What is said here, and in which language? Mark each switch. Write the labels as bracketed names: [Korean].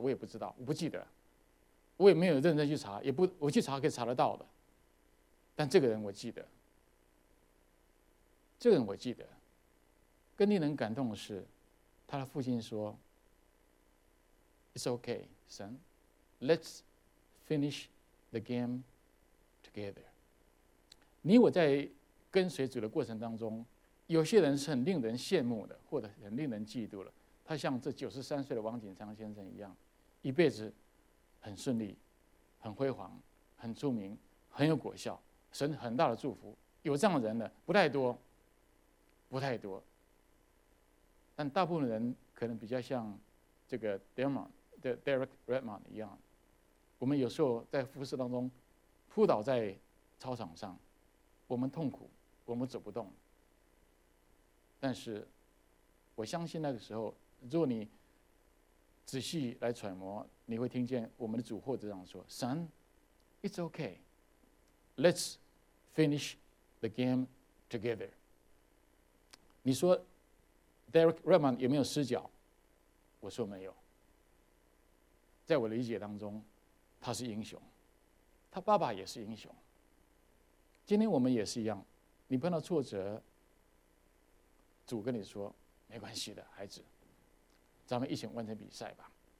[Chinese] 我也不知道，我不记得，我也没有认真去查，也不我去查可以查得到的。但这个人我记得，这个人我记得。更令人感动的是，他的父亲说 ： [English] “It's okay, son. Let's finish the game together.” [Chinese] 你我在跟随主的过程当中，有些人是很令人羡慕的，或者很令人嫉妒的。他像这93岁的王景昌先生一样，一辈子很顺利、很辉煌、很出名、很有果效，神很大的祝福。有这样的人呢，不太多，不太多。但大部分人可能比较像这个 Derek Redmond 一样，我们有时候在服事当中扑倒在操场上。我们痛苦，我们走不动。但是，我相信那个时候，如果你仔细来揣摩，你会听见我们的主或者这样说 ： [English] “Son, it's okay. Let's finish the game together.” [Chinese] 你说 Derek Redmond 有没有失脚？我说没有。在我的理解当中，他是英雄，他爸爸也是英雄。今天我们也是一样，你碰到挫折，主跟你说没关系的，孩子，咱们一起完成比赛吧。